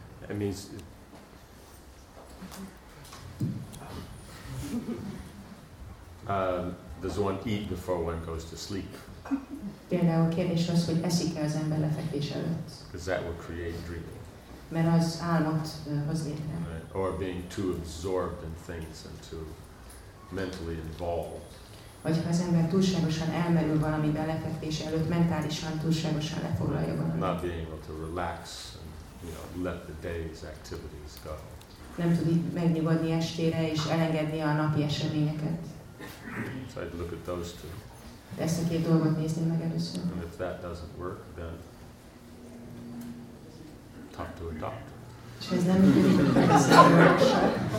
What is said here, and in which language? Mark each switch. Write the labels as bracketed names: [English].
[English] It means... does one eat before one goes to sleep? [Hungarian] Például a kérdés az, hogy eszik-e az ember lefekvés előtt. [English] Because that will create dreaming. [Hungarian] Mert az álmot hoz létre. [English] Or being too absorbed in things and too mentally involved. [Hungarian] Vagy ha az ember túlságosan elmerül valamiben lefekvés előtt, mentálisan túlságosan lefoglalja valamit. [English] Not being able to relax and, you know, let the day's activities go. [Hungarian] Nem tud megnyugodni estére és elengedni a napi eseményeket. [English] So I'd look at those two. [Hungarian] Ezt a két dolgot nézni meg először. [English] And if that doesn't work, then talk to a doctor. [Hungarian] És ez nem működik, ez a workshop.